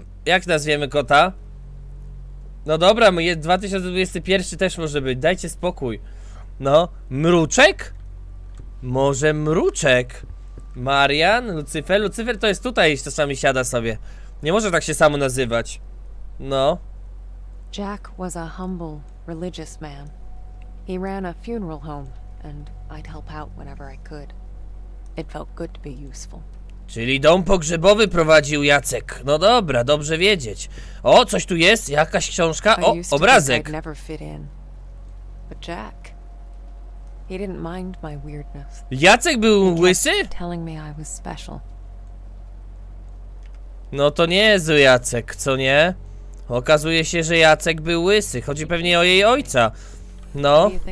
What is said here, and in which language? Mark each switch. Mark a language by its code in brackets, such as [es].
[pl] Jak nazwiemy kota? No dobra, mój 2021 też może być, dajcie spokój. No, Mruczek? Może Mruczek? Marian? Lucyfer? Lucyfer to jest tutaj, jeśli czasami siada sobie. Nie może tak się samo nazywać. No. [en] Jack was a humble, religious man. He ran a funeral home, and I'd help out whenever I could. It felt good to be useful. [pl] Czyli dom pogrzebowy prowadził Jacek. No dobra, dobrze wiedzieć. O, coś tu jest, jakaś książka. O, obrazek. [en] I'd never fit in. But Jack, he didn't mind my weirdness. [pl] Jacek był łysy? [en] Telling me I was special. [pl] No to nie jest Jacek, co nie? Okazuje się, że Jacek był łysy. Chodzi pewnie o jej ojca. No.